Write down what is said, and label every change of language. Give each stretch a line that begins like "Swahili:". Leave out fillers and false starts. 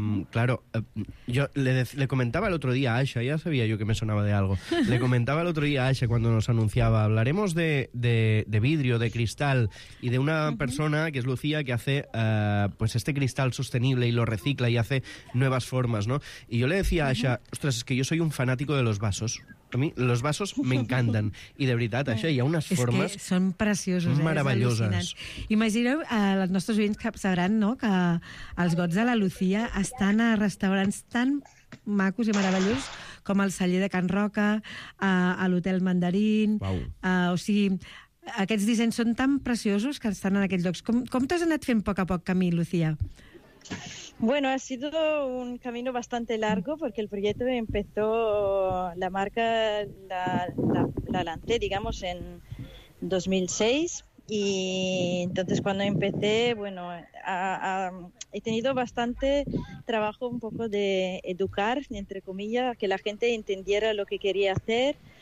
Spanish: Claro, yo le comentaba el otro día a Asha, ya sabía yo que me sonaba de algo, le comentaba el otro día a Asha cuando nos anunciaba, hablaremos de vidrio, de cristal, y de una persona que es Lucía, que hace pues este cristal sostenible y lo recicla y hace nuevas formas, ¿no? Y yo le decía a Asha, ostras, es que yo soy un fanático de los vasos. A mí los vasos me encantan.
Catalan: I de veritat, això, hi ha unes formes... És que són preciosos, són meravelloses. Imagineu, els nostres oients que sabran, no?, que els gots de la Lucía estan a restaurants tan macos i meravellosos com el celler de Can Roca, a l'Hotel Mandarín... Wow. O sigui, aquests dissenys són tan preciosos que estan en aquells llocs. Com t'has anat fent poc a poc camí, Lucía?
Spanish: Bueno, ha sido un camino bastante largo porque el proyecto empezó, la marca la lancé, digamos, en 2006 y entonces cuando empecé, bueno, he tenido bastante trabajo un poco de educar, entre comillas, que la gente entendiera lo que quería hacer.